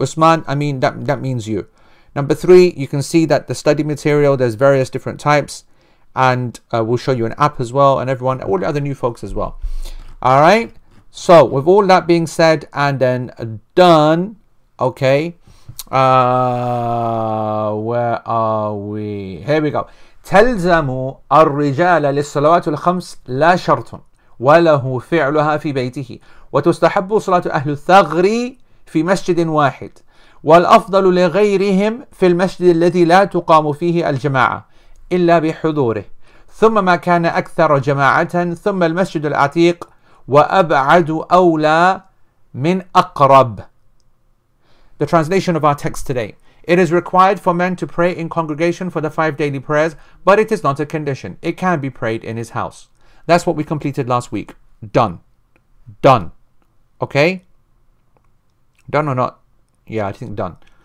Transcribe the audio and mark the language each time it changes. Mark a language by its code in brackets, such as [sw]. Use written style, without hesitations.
[en] Usman, I mean, that means you. Number three, you can see that the study material, there's various different types, and we'll show you an app as well, and everyone, all the other new folks as well. All right? So, with all that being said and then done, okay, where are we? Here we go. [ar] تلزم الرجال للصلوات الخمس لا شرط وله فعلها في بيته وتستحب صلاة أهل الثغر في مسجد واحد والأفضل لغيرهم في المسجد الذي لا تقام فيه الجماعة إلا بحضوره ثم ما كان أكثر جماعة ثم المسجد العتيق وَأَبْعَدُ أَوْلَى مِنْ أَقْرَبْ. [en] The translation of our text today. It is required for men to pray in congregation for the 5 daily prayers, but it is not a condition. It can be prayed in his house. That's what we completed last week. Done. Okay? Done or not? Yeah, I think done.